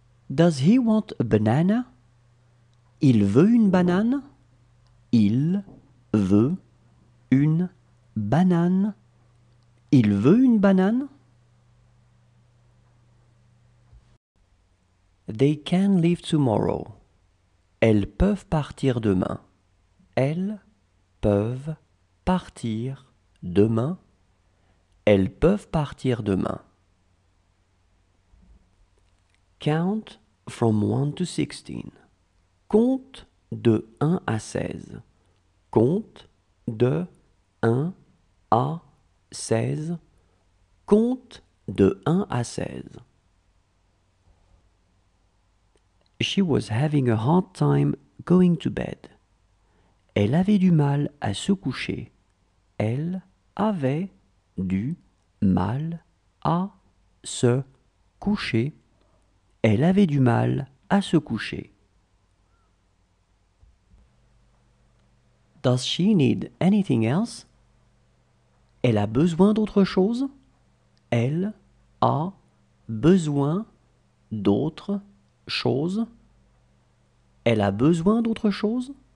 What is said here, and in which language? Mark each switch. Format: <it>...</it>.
<en>Does he want a banana?</en> <fr>Il veut une banane. Il veut une banane. Il veut une banane.</fr> <en>They can leave tomorrow.</en> <fr>Elles peuvent partir demain. Elles peuvent partir demain. Elles peuvent partir demain.</fr> <en>Count from 1 to 16.</en> <fr>Compte de 1 à 16. Compte de 1 à 16. Compte de 1 à 16.</fr> <en>She was having a hard time going to bed.</en> <fr>Elle avait du mal à se coucher. Elle avait du mal à se coucher. Elle avait du mal à se coucher.</fr> <en>Does she need anything else?</en> <fr>Elle a besoin d'autre chose? Elle a besoin d'autre chose? Elle a besoin d'autre chose?</fr>